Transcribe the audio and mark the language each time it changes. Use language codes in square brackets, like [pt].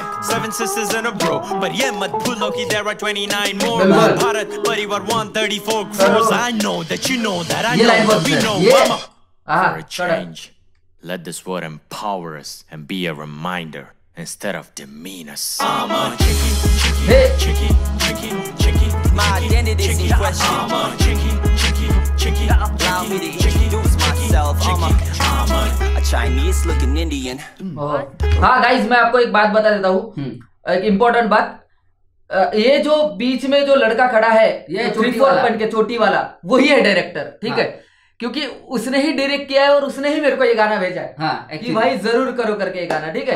[en] seven sisters and a bro [hi] पर ये मत भूलो कि [en] There are 29 more Bharat परिवार 134 crores I know that you know that I know we know aha change let this word empower us and be a reminder Instead of demean us. I'm a chicky, chicky, hey. chicky, chicky, chicky. My identity is in question. I'm a chicky, chicky, chicky. Allow me to introduce myself. I'm a Chinese looking Indian. [hi] हाँ, guys, मैं आपको एक बात बता देता हूँ. एक important बात. ये जो बीच में जो लड़का खड़ा है, ये छोटी वाला पेंट के छोटी वाला, वही है director. ठीक है. क्योंकि उसने ही डायरेक्ट किया है और उसने ही मेरे को ये गाना भेजा है हाँ, कि भाई जरूर करो करके ये गाना ठीक है